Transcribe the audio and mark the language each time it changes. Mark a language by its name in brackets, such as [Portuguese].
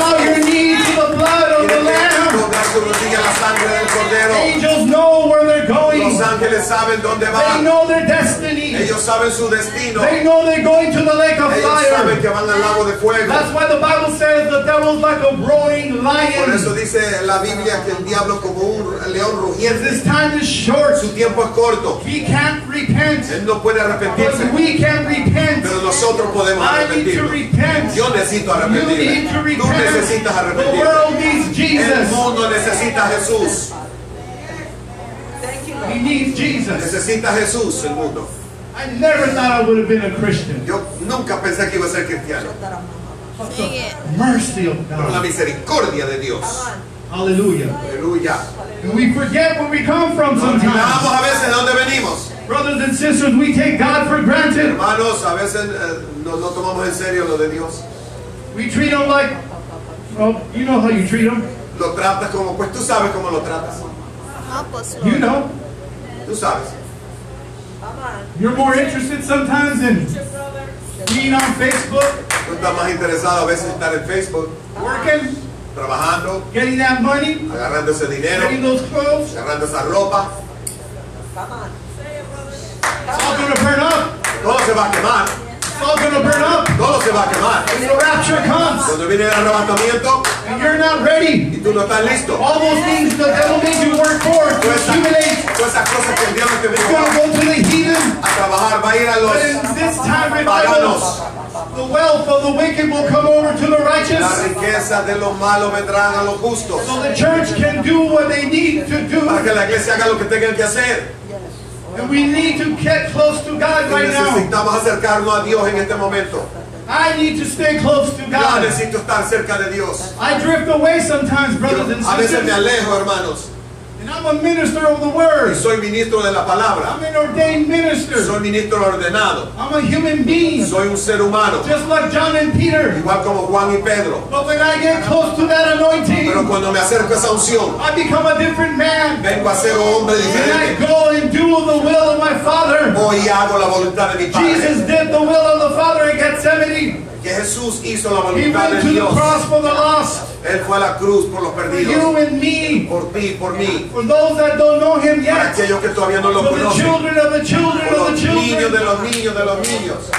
[English] Bow your knee to the blood of [Spanish] Tienes [English] the Lamb. Angels know where they're going. [Spanish] Los ángeles saben dónde van. [English] They know their destiny. [Spanish] Ellos saben su destino. [English] They know they're going to the lake of [Spanish] Ellos [English] fire. [Spanish] Saben que van al lago de fuego. [English] That's why the Bible says the devil's like a roaring lion. [Spanish] Por eso dice la Biblia que el diablo como un león rugiente. [English] This time is short. [Spanish] Su tiempo es corto. [English] He can't repent. [Spanish] Él no puede arrepentirse. [English] But we can repent. [Spanish] Pero nosotros podemos arrepentirnos. [English] I need to repent. [Spanish] Yo necesito arrepentirme. [English] You need to [Spanish] Tú necesitas arrepentirte. [English] The world needs Jesus. [Spanish] El mundo necesita a Jesús. [English] He needs Jesus. [Spanish] Necesita Jesús el mundo. [English] I never thought I would have been a Christian. [Spanish] Yo nunca pensé que iba a ser cristiano. [English] Mercy of God. [Spanish] Por la misericordia de Dios. [English] Hallelujah. Hallelujah. And we forget where we come from sometimes. [Spanish] Nos olvidamos a veces de dónde venimos. [English] Brothers and sisters, we take God for granted. [Spanish] Hermanos, a veces no tomamos en serio lo de Dios. [English] We treat him like, well, you know how you treat him. [Spanish] Lo tratas como, pues tú sabes cómo lo tratas. [English] You know. [Spanish] Tú sabes. [English] You're more interested sometimes in being on Facebook. [Spanish] Tú estás más interesado a veces estar en Facebook. [English] Working. [Spanish] Trabajando. [English] Getting that money. [Spanish] Agarrando ese dinero. [English] Getting those clothes. [Spanish] Agarrando esa ropa. [English] It's all gonna burn up. [Spanish] Todo se va a quemar. [English] It's all gonna burn up. [Spanish] Todo se va a quemar. [English] When the rapture comes. [Spanish] Cuando viene el arrebatamiento. [English] And you're not ready. [Spanish] Y tú no estás listo. [English] All those things the devil made you work for to accumulate. [Spanish] Todas esas cosas que el diablo te vino. [English] Go to the heathen. [Spanish] A trabajar, va a ir a los. [English] But in this time revival, the wealth of the wicked will come over to the righteous. [Spanish] La riqueza de los malos vendrán a los justos. [English] So the church can do what they need to do. [Spanish] Para que la iglesia haga lo que tenga que hacer. [English] And we need to get close to God right [Spanish] necesitamos [English] now. [Spanish] Necesitamos acercarnos a Dios en este momento. [English] I need to stay close to God. [Spanish] Yo necesito estar cerca de Dios. [English] I drift away sometimes, brothers and sisters. [Spanish] A veces me alejo, hermanos. [English] And I'm a minister of the word. [Spanish] Y soy ministro de la palabra. [English] I'm an ordained minister. [Spanish] Soy ministro ordenado. [English] I'm a human being. [Spanish] Soy un ser humano. [English] Just like John and Peter. [Spanish] Igual como Juan y Pedro. [English] But when I get close to that anointing, [Spanish] pero cuando me acerco a esa unción, [English] I become a different man. [Spanish] Vengo a ser un hombre diferente. [English] And I go and do the will of my Father. [Spanish] Voy y hago la voluntad de mi Padre. [English] Jesus did the will of the Father in Gethsemane. [Spanish] Que Jesús hizo la voluntad [English] He went [Spanish] de [English] to [Spanish] Dios. [English] The cross for the lost. [Spanish] Él fue a la cruz por los perdidos. [English] You and me. [Spanish] Por ti, por mí. [English] For those that don't know him yet. [Spanish] Para aquellos que todavía no lo conocen. [English] For the children of the children [Spanish] por [English] of the children. [Spanish] Los niños de los niños de los niños.